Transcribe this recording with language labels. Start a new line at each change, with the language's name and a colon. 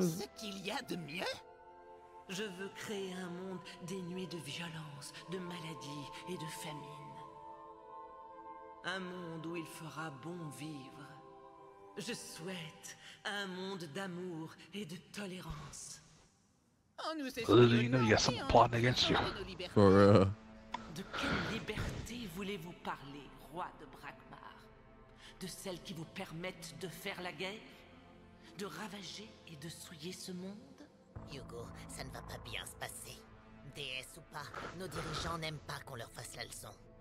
French: Ce qu'il y a de mieux ? Je veux créer un monde dénué de violence, de maladies et de famine. Un monde où il fera bon vivre. Je souhaite un monde d'amour et de tolérance.
English: Clearly, you know you got something plotting against you. For real.
French: De quelle liberté voulez-vous parler, roi de Brakmar? De celles qui vous permettent de faire la guerre? De ravager et de souiller ce monde? Hugo, ça ne va pas bien se passer. Déesse ou pas, nos dirigeants n'aiment pas qu'on leur fasse la leçon.